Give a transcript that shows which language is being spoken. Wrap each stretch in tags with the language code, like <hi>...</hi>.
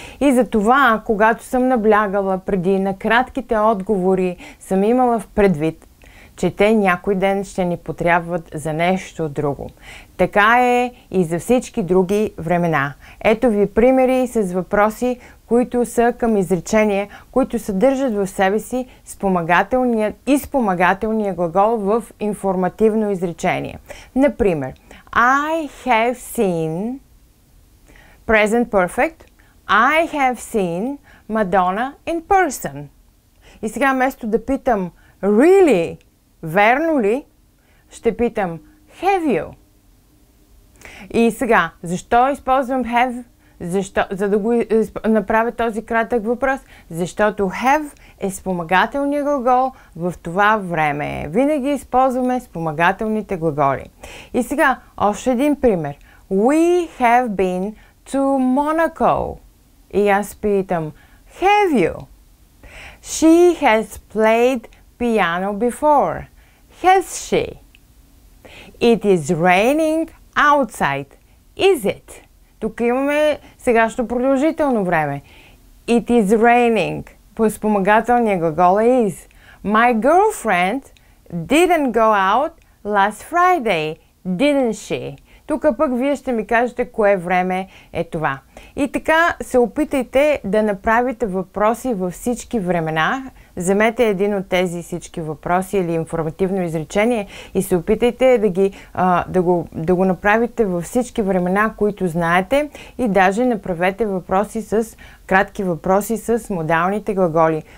<bg>И за това, когато съм наблягала преди на кратките отговори, съм имала в предвид, че те някой ден ще ни потрябват за нещо друго. Така е и за всички други времена. Ето ви примери с въпроси, които са към изречение, които съдържат в себе си спомагателния глагол в информативно изречение. Например,</bg> <en>I have seen present perfect, I have seen Madonna in person.</en> <bg>И сега вместо да питам really, верно ли, ще питам</bg> <en>have you?</en> <bg>И сега, защо използвам have? Защо, за да го направя този кратък въпрос, защото have е спомагателния глагол в това време. Винаги използваме спомагателните глаголи. И сега, още един пример.</bg> <en>We have been to Monaco.</en> <bg>И аз питам,</bg> <en>have you? She has played piano before. Has she? It is raining outside. Is it?</en> <bg>Тук имаме сегашно продължително време.</bg> <en>It is raining.</en> <bg>По спомагателния глагол е is.</bg> <en>My girlfriend didn't go out last Friday, didn't she?</en> <bg>Тук пък вие ще ми кажете кое време е това. И така се опитайте да направите въпроси във всички времена. Вземете един от тези всички въпроси или информативно изречение и се опитайте да го направите във всички времена, които знаете и даже направете въпроси с кратки въпроси с модалните глаголи.</bg>